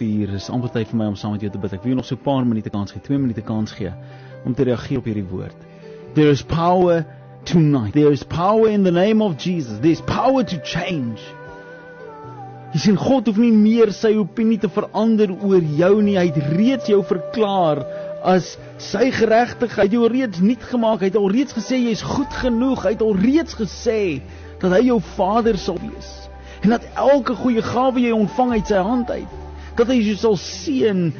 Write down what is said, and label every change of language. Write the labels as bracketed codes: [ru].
[af] Dit is amper tyd vir my om saam met jou te bid. Ek wil nog so 'n paar minute kans gee, 2 minute kans gee om te reageer op hierdie woord. [en] There is power tonight. There is power in the name of Jesus. There is power to change. [af] Jy sien, God hoef nie meer sy opinie te verander oor jou nie. Hy het reeds jou verklaar as sy geregtigheid. Hy het jou reeds niet gemaak. Hy het alreeds gesê jy is goed genoeg. Hy het alreeds gesê dat hy jou vader sal wees. En dat elke goeie gawe jy ontvang uit sy hand uit. Dat hy jou sal seën.